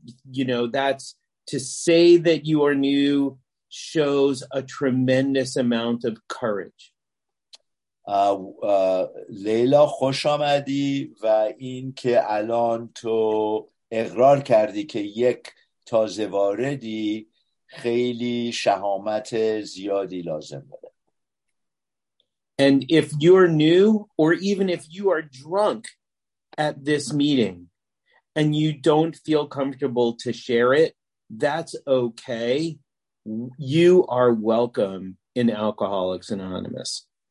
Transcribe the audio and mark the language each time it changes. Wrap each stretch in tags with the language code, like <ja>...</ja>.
<en>You know, that's to say that you are new shows a tremendous amount of courage.</en> <fa>Layla, خوش آمدی و این که الان تو اقرار کردی که یک تازه واردی خیلی شهامت زیادی لازم داره.</fa> <en>And if you're new or even if you are drunk at this meeting and you don't feel comfortable to share it, that's okay. You are welcome in Alcoholics Anonymous.</en>